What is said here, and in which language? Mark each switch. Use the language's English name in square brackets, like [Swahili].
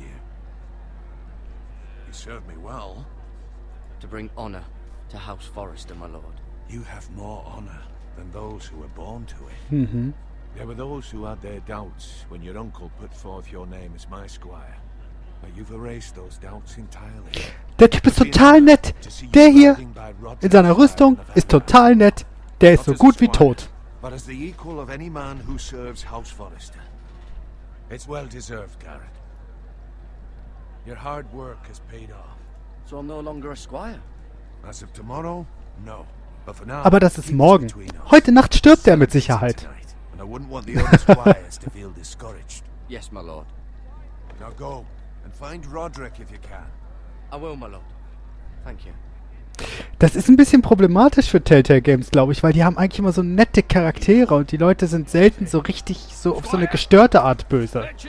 [English] You served me well. To bring honor to House Forrester, my lord. You have more honor than those who were born to it. Mm-hmm. There were those who had their doubts when your uncle put forth your name as my squire. But you've erased those doubts entirely. [German] Der Typ ist total nett. Der hier in seiner Rüstung ist total nett. Der ist so gut wie tot. [English] But as the equal of any man who serves House Forrester. It's well deserved, Garrett. Your hard work has paid off. So I'm no longer a squire. As of tomorrow, no. But for now, [German] aber das ist morgen. Heute Nacht stirbt er mit Sicherheit. [English] And I wouldn't want the other squires to feel discouraged. Yes, my lord. Now go and find Roderick if you can. I will, my lord. Thank you. [German] Das ist ein bisschen problematisch für Telltale Games, glaube ich, weil die haben eigentlich immer so nette Charaktere und die Leute sind selten so richtig so auf so eine gestörte Art böse.